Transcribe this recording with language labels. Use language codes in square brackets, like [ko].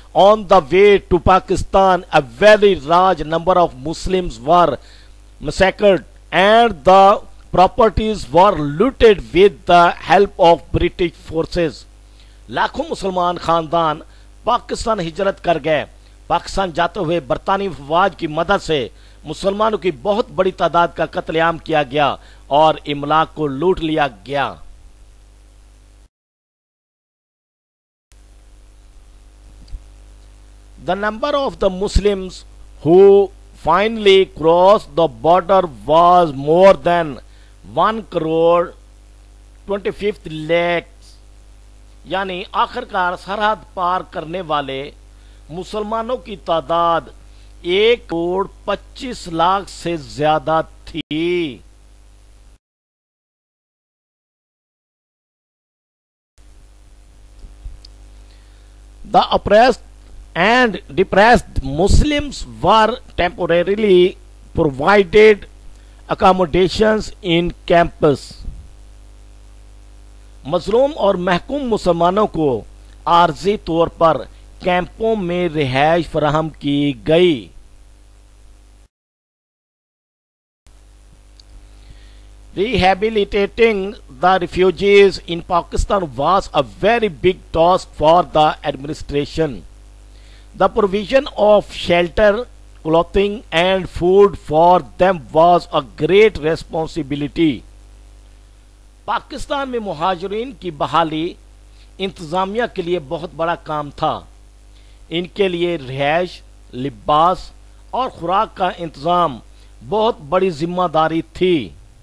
[en] On the way to Pakistan, a very large number of Muslims were massacred and the properties were looted with the help of British forces. [ur] لاکھوں مسلمان خاندان پاکستان ہجرت کر گئے. پاکستان جاتے ہوئے برطانوی فواج کی مدد سے مسلمانوں کی بہت بڑی تعداد کا قتل عام کیا گیا اور املاک کو لوٹ لیا گیا. [en] The number of the Muslims who finally crossed the border was more than 1.25 crore. [ur] یعنی آخر کار سرحد پار کرنے والے مسلمانوں کی تعداد 1.25 crore سے زیادہ تھی. [en] The oppressed and depressed Muslims were temporarily provided accommodations in camps. [ur] مظلوم اور محکوم مسلمانوں کو عارضی طور پر کیمپوں میں رہائش فراہم کی گئی. [en] Rehabilitating the refugees in Pakistan was a very big task for the administration. The provision of shelter, clothing and food for them was a great responsibility. [ur] Pakistan میں مہاجرین کی بحالی انتظامیہ کے لیے بہت بڑا کام تھا. ان کے لیے رہائش, لباس اور خوراک کا انتظام بہت بڑی ذمہ داری تھی.